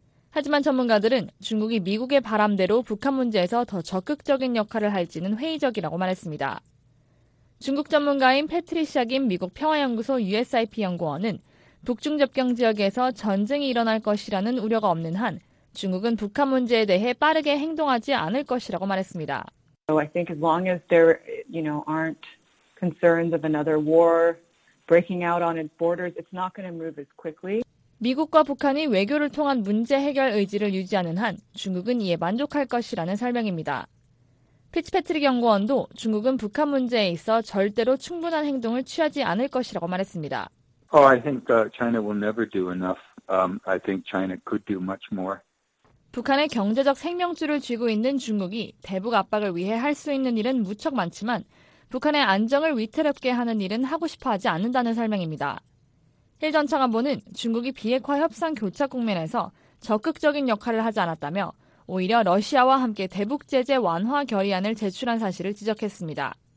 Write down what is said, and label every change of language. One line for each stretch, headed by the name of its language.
Korean: 하지만 전문가들은 중국이 미국의 바람대로 북한 문제에서 더 적극적인 역할을 할지는 회의적이라고 말했습니다. 중국 전문가인 패트리시아 김 미국 평화연구소 USIP 연구원은 북중 접경 지역에서 전쟁이 일어날 것이라는 우려가 없는 한 중국은 북한 문제에 대해 빠르게 행동하지 않을 것이라고 말했습니다.
English: So I think as long as there, you know, aren't concerns of another war breaking out on its borders, it's not going to move as quickly.
Korean: 미국과 북한이 외교를 통한 문제 해결 의지를 유지하는 한 중국은 이에 만족할 것이라는 설명입니다. 피츠패트릭 연구원도 중국은 북한 문제에 있어 절대로 충분한 행동을 취하지 않을 것이라고 말했습니다.
English: Oh, I think China will never do enough. I think China could do much more.
Korean: 북한의 경제적 생명줄을 쥐고 있는 중국이 대북 압박을 위해 할 수 있는 일은 무척 많지만 북한의 안정을 위태롭게 하는 일은 하고 싶어 하지 않는다는 설명입니다. 힐 전 차관보는 중국이 비핵화 협상 교착 국면에서 적극적인 역할을 하지 않았다며 오히려 러시아와 함께 대북 제재 완화 결의안을 제출한 사실을 지적했습니다.